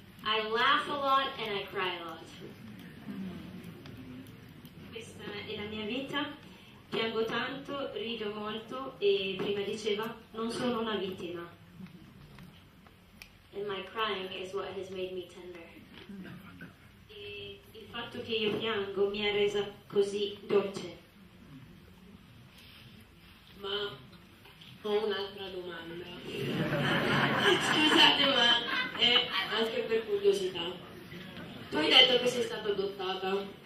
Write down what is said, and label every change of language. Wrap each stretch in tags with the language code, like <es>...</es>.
<en>I laugh a lot and I cry a lot.</en> <it>Questa è la mia vita. Piango tanto, rido molto e prima diceva non sono una vittima.</it> <en>And my crying is what has made me tender.</en> <it>Il fatto che io piango mi ha resa così dolce. Ma ho un'altra domanda. Scusate, ma è anche per curiosità. Tu hai detto che sei stata adottata.</it>